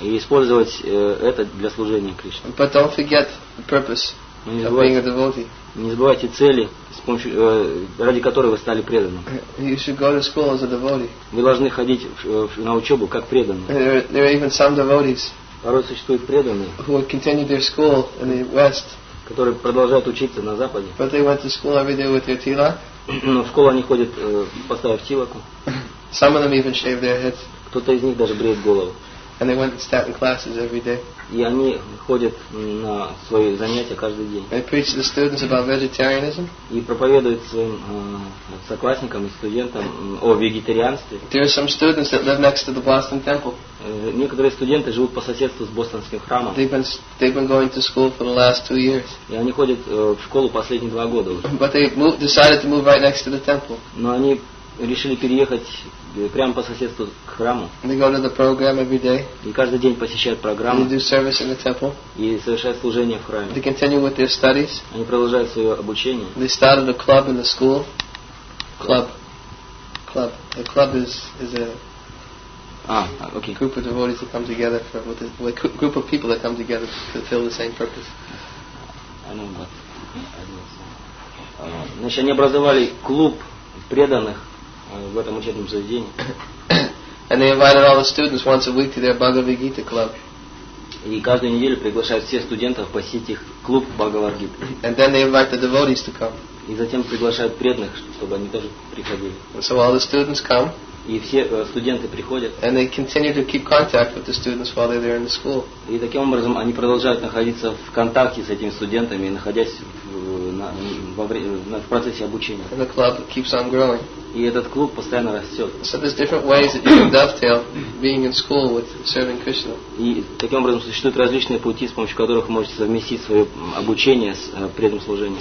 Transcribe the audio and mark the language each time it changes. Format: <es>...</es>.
<ru>И использовать это для служения Кришне.</ru> <en>But don't forget the purpose.</en> <ru>Не забывайте, цели, с помощью, ради которой вы стали преданным. Вы должны ходить на учебу как преданный.</ru> <en>There are even some devotees,</en> <ru>порой существуют преданные,</ru> <en>who would continue their school in the West,</en> <ru>которые продолжают учиться на Западе.</ru> <en>But they went to school every day with their tila.</en> <ru>Но в школу они ходят, поставив тилаку.</ru> <en>Some of them even shave their heads.</en> <ru>Кто-то из них даже бреет голову.</ru> <en>And they went to statin classes every day.</en> <ru>И они ходят на свои занятия каждый день.</ru> <en>They preach to the students about vegetarianism.</en> <ru>И проповедуют своим соклассникам и студентам о вегетарианстве.</ru> <en>There are some students that live next to the Boston Temple.</en> <ru>Некоторые студенты живут по соседству с Бостонским храмом.</ru> <en>They've been going to school for the last 2 years.</en> <ru>И они ходят в школу последние 2 года уже.</ru> <en>But they decided to move right next to the temple.</en> <ru>Но они решили переехать прямо по соседству к храму.</ru> <en>They go to the program every day.</en> <ru>И каждый день посещают программу.</ru> <en>They do service in the temple.</en> <ru>И совершают служение в храме.</ru> <en>They continue with their studies.</en> <ru>Они продолжают свое обучение.</ru> <en>They started a club in the school. Club. A club is a okay. Group of devotees that come together for with a group of people that come together to fulfill the same purpose. I know, but</en> <ru>значит, они образовали клуб преданных. В этом учебном заведении.</ru> <en>And they invited all the students once a week to their Bhagavad Gita club.</en> <ru>И каждую неделю приглашают всех студентов посетить их клуб Бхагавад Гиты.</ru> <en>And then they invite the devotees to come.</en> <ru>И затем приглашают преданных, чтобы они тоже приходили.</ru> <en>And so all the students come.</en> <ru>И все студенты приходят.</ru> <en>And they continue to keep contact with the students while they're there in the school.</en> <ru>И таким образом они продолжают находиться в контакте с этими студентами, находясь в процессе обучения.</ru> <en>And the club keeps on growing.</en> <ru>И этот клуб постоянно растет.</ru> <en>So there's different ways that you can dovetail being in school with serving Krishna.</en> <ru>И таким образом существуют различные пути, с помощью которых вы можете совместить свое обучение с преданным служением.</ru>